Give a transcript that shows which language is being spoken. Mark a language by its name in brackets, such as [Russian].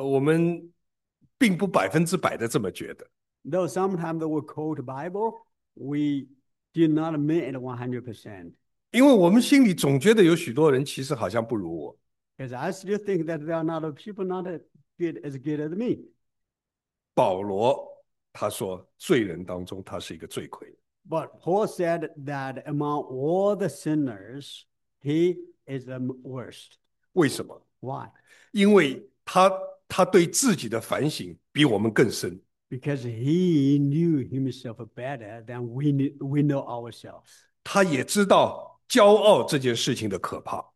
[Chinese] 有些时候我们引用这句圣经，我们并不100%的这么觉得。 [English] Though sometimes we quote the Bible, we do not mean it 100%. [Chinese] 因为我们心里总觉得有许多人其实好像不如我。 [English] Because I still think that there are not people not as good as me. [Chinese] 保罗他说，罪人当中他是一个罪魁。 [English] But Paul said that among all the sinners, he is the worst. [Chinese] 为什么？ [English] Why? [Chinese] 因为他对自己的反省比我们更深。 [English] Because he knew himself better than we know ourselves. [Chinese] 他也知道骄傲这件事情的可怕。